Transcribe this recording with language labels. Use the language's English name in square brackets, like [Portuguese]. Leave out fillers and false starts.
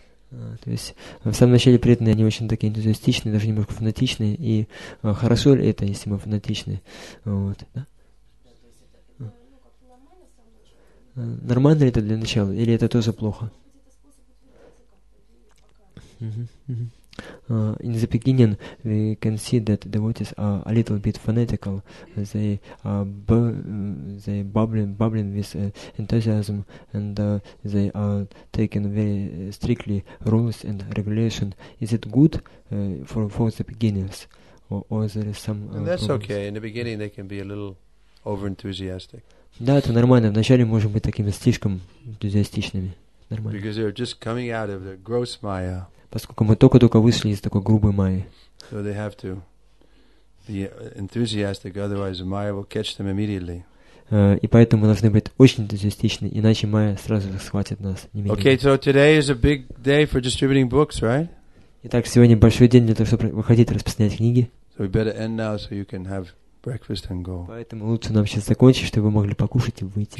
[Russian] То есть в самом начале преданные, они очень такие энтузиастичные, даже немножко фанатичные, и хорошо ли это, если мы фанатичны? Вот, да? Нормально ли это для начала, или это тоже плохо? [English] In the beginning, we can see that devotees are a little bit fanatical. They they bubbling with enthusiasm, and they are taking very strictly rules and regulation. Is it good for the beginners, or there is some? And that's problems? Okay. In the beginning, they can be a little over enthusiastic. [Russian] Да, это нормально. Вначале можем быть такими слишком энтузиастичными. Нормально. [English] Because they're just coming out of the gross maya. [Russian] Поскольку мы только-только вышли из такой грубой майи. [English] So they have to be enthusiastic, otherwise Maya will catch them immediately. [Russian] И поэтому мы должны быть очень энтузиастичны, иначе майя сразу же схватит нас немедленно. [English] Okay, so today is a big day for distributing books, right? [Russian] Итак, сегодня большой день для того, чтобы выходить распространять книги. [English] So we better end now so you can have breakfast and go. [Russian] Поэтому лучше нам сейчас закончить, чтобы вы могли покушать и выйти.